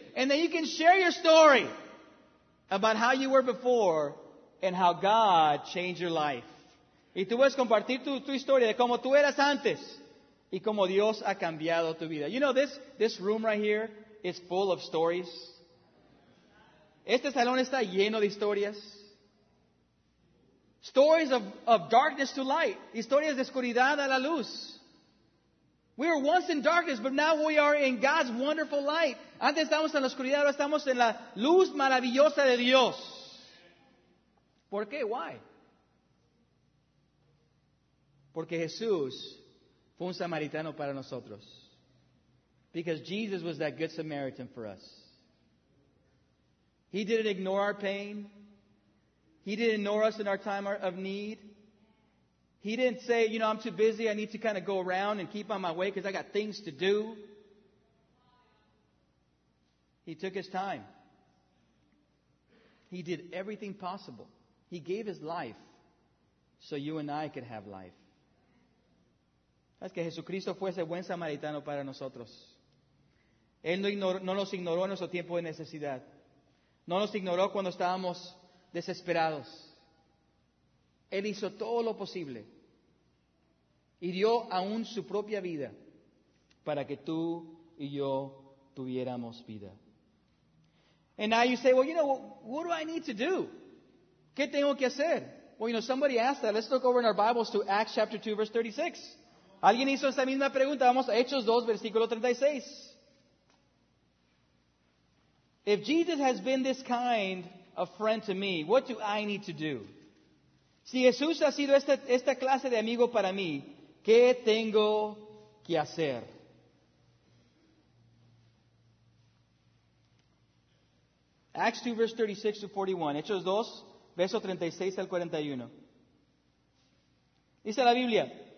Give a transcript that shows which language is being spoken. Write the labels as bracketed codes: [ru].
[en] And then you can share your story about how you were before and how God changed your life. [es] Y tú puedes compartir tu historia de cómo tú eras antes y cómo Dios ha cambiado tu vida. [en] You know, this room right here is full of stories. [es] Este salón está lleno de historias. [en] Stories of darkness to light. [es] Historias de oscuridad a la luz. [en] We were once in darkness, but now we are in God's wonderful light. [es] Antes estábamos en la oscuridad, ahora estamos en la luz maravillosa de Dios. ¿Por qué? [en] Why? [es] Porque Jesús fue un samaritano para nosotros. [en] Because Jesus was that good Samaritan for us. He didn't ignore our pain. He didn't ignore us in our time of need. He didn't say, you know, I'm too busy. I need to kind of go around and keep on my way because I got things to do. He took his time. He did everything possible. He gave his life so you and I could have life. [es] Es que Jesucristo fuese buen samaritano para nosotros. Él no nos ignoró en nuestro tiempo de necesidad. No nos ignoró cuando estábamos desesperados. Él hizo todo lo posible. Y dio aún su propia vida para que tú y yo tuviéramos vida. [en] And now you say, well, you know, what do I need to do? [es] ¿Qué tengo que hacer? [en] Well, you know, somebody asked that. Let's look over in our Bibles to Acts chapter 2, verse 36. [es] Alguien hizo esa misma pregunta. Vamos a Hechos 2, versículo 36. [en] If Jesus has been this kind of friend to me, what do I need to do? [es] Si Jesús ha sido esta clase de amigo para mí, ¿qué tengo que hacer? [en] Acts 2, verse 36 to 41. [es] Hechos 2, verso 36 al 41. Dice la Biblia.